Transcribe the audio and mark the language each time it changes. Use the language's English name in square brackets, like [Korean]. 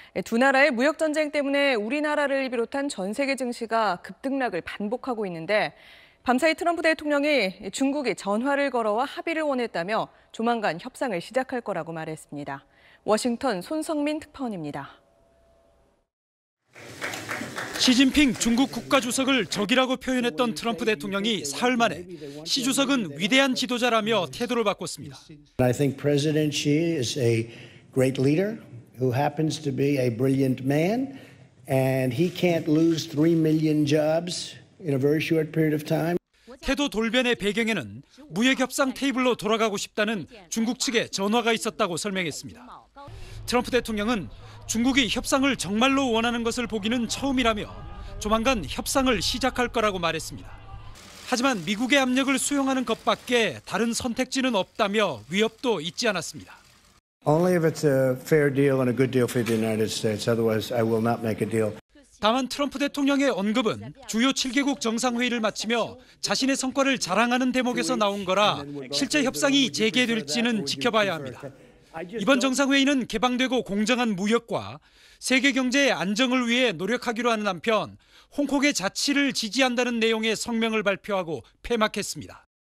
[Korean] 두 나라의 무역 전쟁 때문에 우리나라를 비롯한 전 세계 증시가 급등락을 반복하고 있는데 밤사이 트럼프 대통령이 중국이 전화를 걸어와 합의를 원했다며 조만간 협상을 시작할 거라고 말했습니다. 워싱턴 손성민 특파원입니다. 시진핑 중국 국가주석을 적이라고 표현했던 트럼프 대통령이 사흘 만에 시 주석은 위대한 지도자라며 태도를 바꿨습니다. [English] I think President Xi is a great leader who happens to be a brilliant man and he can't lose 3 million jobs in a very short period of time. [Korean] 태도 돌변의 배경에는 무역 협상 테이블로 돌아가고 싶다는 중국 측의 전화가 있었다고 설명했습니다. 트럼프 대통령은 중국이 협상을 정말로 원하는 것을 보기는 처음이라며 조만간 협상을 시작할 거라고 말했습니다. 하지만 미국의 압력을 수용하는 것밖에 다른 선택지는 없다며 위협도 잊지 않았습니다. [English] Only if it's a fair deal and a good deal for the United States. Otherwise, I will not make a deal. [Korean] 다만 트럼프 대통령의 언급은 주요 7개국 정상회의를 마치며 자신의 성과를 자랑하는 대목에서 나온 거라 실제 협상이 재개될지는 지켜봐야 합니다. 이번 정상회의는 개방되고 공정한 무역과 세계 경제의 안정을 위해 노력하기로 하는 한편 홍콩의 자치를 지지한다는 내용의 성명을 발표하고 폐막했습니다.